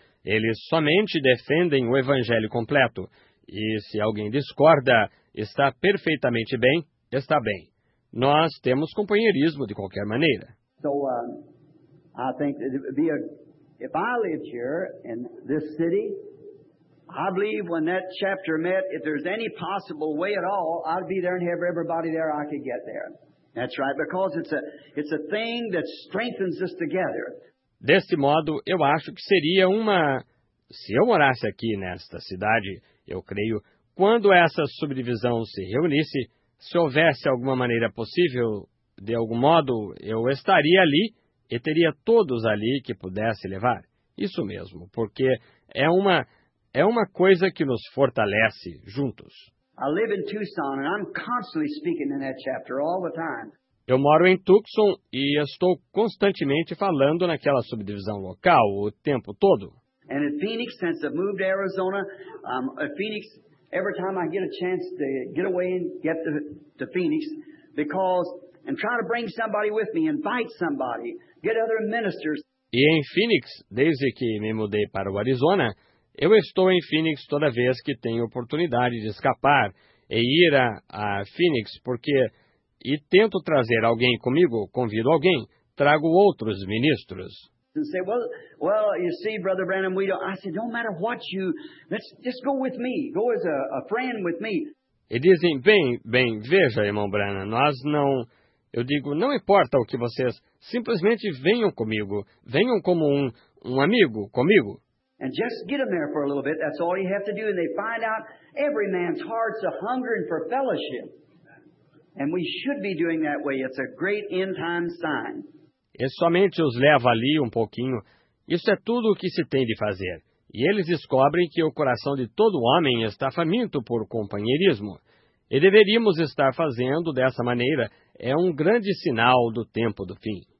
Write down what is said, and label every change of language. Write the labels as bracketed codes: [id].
[pt] Eles somente defendem o Evangelho completo. E se alguém discorda, está perfeitamente bem, está bem. Nós temos companheirismo de qualquer maneira. [en] So, I think it would be if I lived here in this city, I believe when that chapter met, if there's any possible way at all, I'd be there and have everybody there I could get there. That's right, because it's a thing that strengthens us together. [pt] Deste modo, eu acho que seria uma... Se eu morasse aqui nesta cidade, eu creio, quando essa subdivisão se reunisse, se houvesse alguma maneira possível, de algum modo, eu estaria ali e teria todos ali que pudesse levar. Isso mesmo, porque é uma coisa que nos fortalece juntos. [en] I live in Tucson and I'm constantly speaking in that chapter all the time. [pt] Eu moro em Tucson e estou constantemente falando naquela subdivisão local o tempo todo. [en] And in Phoenix, since I've moved to Arizona, Phoenix, every time I get a chance to get away and get to Phoenix, because and try to bring somebody with me, invite somebody, get other ministers. [pt] E em Phoenix, desde que me mudei para o Arizona, eu estou em Phoenix toda vez que tenho oportunidade de escapar e ir a Phoenix, porque e tento trazer alguém comigo, convido alguém, trago outros ministros. [en] And say, well, you see, Brother Branham, we don't. I said, don't matter what you, let's just go with me, go as a friend with me. [pt] E dizem, bem, veja, irmão Branham, nós não. Eu digo, não importa o que vocês, simplesmente venham comigo, venham como um amigo comigo. [en] And just get them there for a little bit. That's all you have to do, and they find out every man's heart's a hungering for fellowship. And we should be doing that way. It's a great end time sign. [pt] E somente os leva ali um pouquinho. Isso é tudo o que se tem de fazer. E eles descobrem que o coração de todo homem está faminto por companheirismo. E deveríamos estar fazendo dessa maneira. É um grande sinal do tempo do fim.